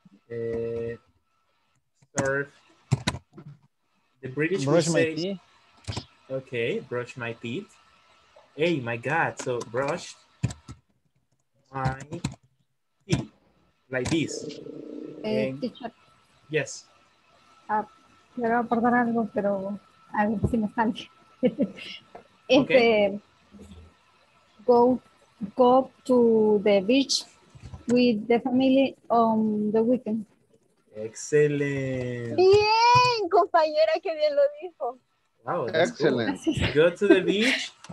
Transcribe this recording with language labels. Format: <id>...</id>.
<en>Surf. The British brush would say, my teeth. Okay, brush my teeth. Hey, my God, so brush my teeth, like this. Teacher. Yes.</en> <es>Me voy a perder algo, pero a ver si me sale.</es> <en>Go to the beach with the family on the weekend. Excellent.</en> <es>Bien, compañera, que bien lo dijo.</es> <en>Wow, excellent. Cool. Go to the beach.</en>